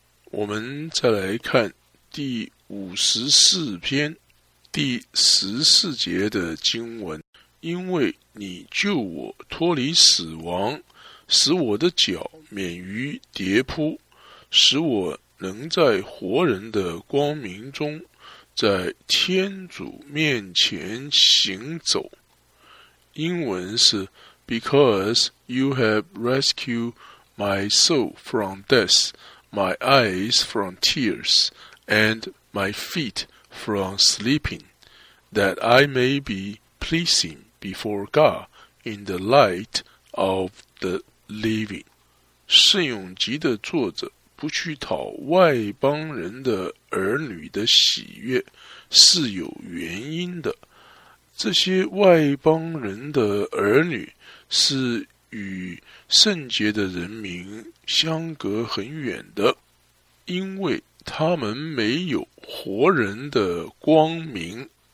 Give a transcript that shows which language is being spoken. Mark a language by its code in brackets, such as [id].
[zh] 我们再来看第54篇第14节的经文：因为你救我脱离死亡，使我的脚免于跌扑，使我能在活人的光明中在天主面前行走。英文是 [en] Because you have rescued my soul from death, my eyes from tears, and my feet from sleeping, that I may be pleasing before God in the light of the living. [zh] 圣咏集的作者不去讨外邦人的儿女的喜悦是有原因的。这些外邦人的儿女是与圣洁的人民相隔很远的，因为他们没有活人的光明。